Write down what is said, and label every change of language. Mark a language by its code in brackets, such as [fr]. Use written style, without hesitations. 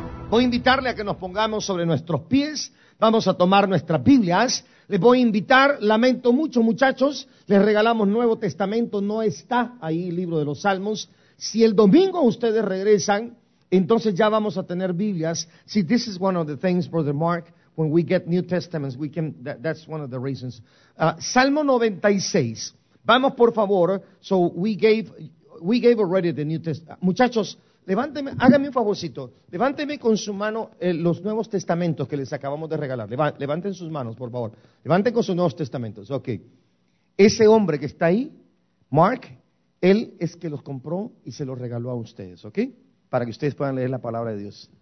[es] Voy a invitarle a que nos pongamos sobre nuestros pies. Vamos a tomar nuestras Biblias. Les voy a invitar, lamento mucho, muchachos, les regalamos Nuevo Testamento, no está ahí el libro de los Salmos. Si el domingo ustedes regresan, entonces ya vamos a tener Biblias. [en] See, this is one of the things, Brother Mark, when we get New Testaments, we can, that's one of the reasons. [es] Salmo 96. Vamos, por favor. [en] So we gave already the New Testament. [es] Muchachos, levánteme, hágame un favorcito, levánteme con su mano los Nuevos Testamentos que les acabamos de regalar. Levanten sus manos, por favor. Levanten con sus Nuevos Testamentos. Ok. Ese hombre que está ahí, Mark, él es que los compró y se los regaló a ustedes, ok, para que ustedes puedan leer la Palabra de Dios.